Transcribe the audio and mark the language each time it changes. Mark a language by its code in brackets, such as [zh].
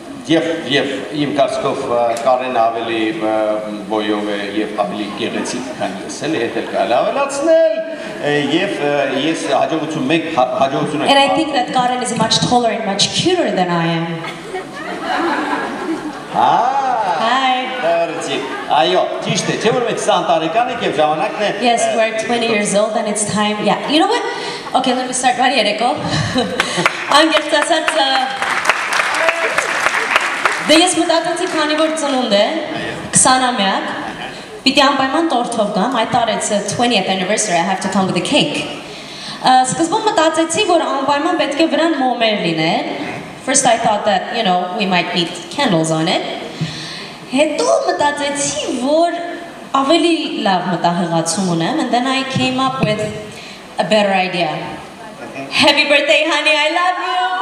[hy] Եվ իմ կարծիքով կարեն ավելի բոյով է եւ ավելի գեղեցիկ, քան ես, էլի հետ էլ կարելի ավելացնել, եւ ես հաջողություն մեկ հաջողություն եմ ասում. [en] And I think that Karen is much taller and much cuter than I am. Hi. [hy] Դարձի։ Այո, ճիշտ է, չէ՞ որ մենք 20 տարեկան ենք եւ ժամանակն է. [en] Yes, we're 20 years old and it's time. Yeah. You know what? Okay, let me start right here, Eko. I'm just [hy] ասած Դե ես մտածեցի, քանի որ ծնունդ է 20-ամյակ, պիտի անպայման տորթով գամ, այդ տարեց [en] 20th anniversary, I have to come with a cake. [hy] Սկզբում մտածեցի, որ անպայման պետք է վրան մոմեր լինեն. [en] First I thought that, you know, we might need candles on it. [hy] Հետո մտածեցի, որ ավելի լավ մտահղացում ունեմ, [en] and then I came up with a better idea. Happy birthday, honey, I love you!